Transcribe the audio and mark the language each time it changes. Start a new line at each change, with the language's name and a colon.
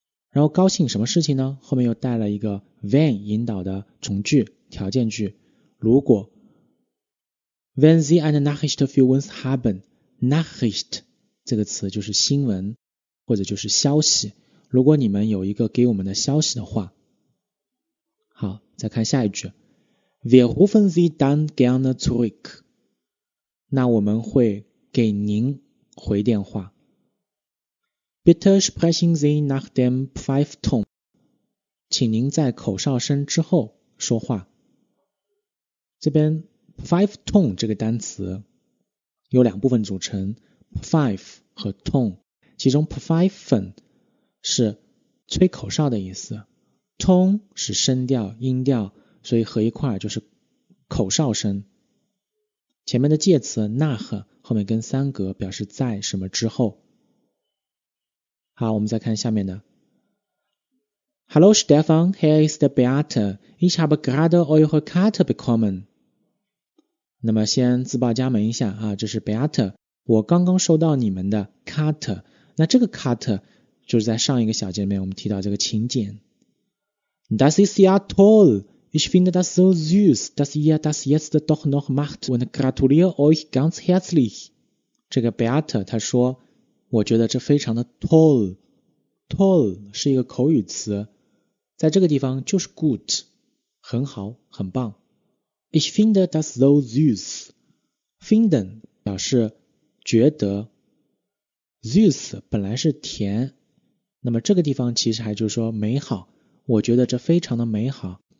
Chinese: 然后高兴什么事情呢？后面又带了一个 wenn 引导的从句条件句，如果
German: wenn sie eine Nachricht für uns haben，
Chinese: Nachricht 这个词就是新闻或者就是消息，如果你们有一个给我们的消息的话。
German: 好，再看下一句， wir rufen sie dann gerne zurück，
Chinese: 那我们会给您回电话。
German: Bitte sprechen Sie nach dem Pfeifton，
Chinese: 请您在口哨声之后说话。这边 Pfeifton 这个单词有两部分组成， Pfeif 和 Ton， 其中 Pfeifen 是吹口哨的意思， Ton 是声调音调，所以合一块就是口哨声。前面的介词 nach 后面跟三格表示在什么之后。好，我们再看下面的。
English: Hello Stefan, here is the Beate.
German: Ich habe gerade eure Karte bekommen.
Chinese: 那么先自报家门一下啊，这是 Beate， 我刚刚收到你们的 Karte。那这个 Karte 就是在上一个小节里面我们提到这个请柬。
German: Das ist ja toll. Ich finde das so süß, dass ihr das jetzt doch noch macht und gratuliere euch ganz herzlich.
Chinese: 这个 Beate 他说我觉得这非常的 toll， toll 是一个口语词，在这个地方就是 good， 很好很棒。
German: Ich finde das so süß，
Chinese: finden 表示觉得， süß 本来是甜，那么这个地方其实还就是说美好，我觉得这非常的美好。